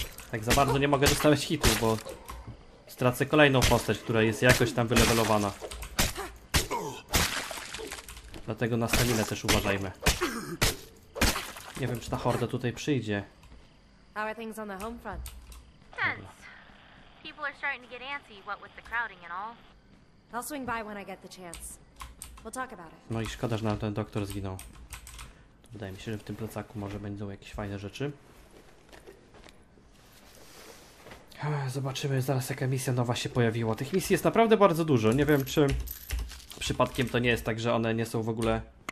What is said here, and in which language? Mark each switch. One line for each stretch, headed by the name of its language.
Polish: Tak za bardzo nie mogę dostawać hitu, bo stracę kolejną postać, która jest jakoś tam wylevelowana. Dlatego na stamina też uważajmy. Nie wiem, czy ta horda tutaj przyjdzie.
English: How are things on the home front? Tense. People are starting to get antsy, what with the crowding and all. I'll swing by when I get the chance. We'll talk about it.
Polish: No i szkoda, że nam ten doktor zginął. Wydaje mi się, że w tym plecaku może będą jakieś fajne rzeczy. Zobaczymy zaraz, jaka misja nowa się pojawiła. Tych misji jest naprawdę bardzo dużo. Nie wiem, czy przypadkiem to nie jest tak, że one nie są w ogóle...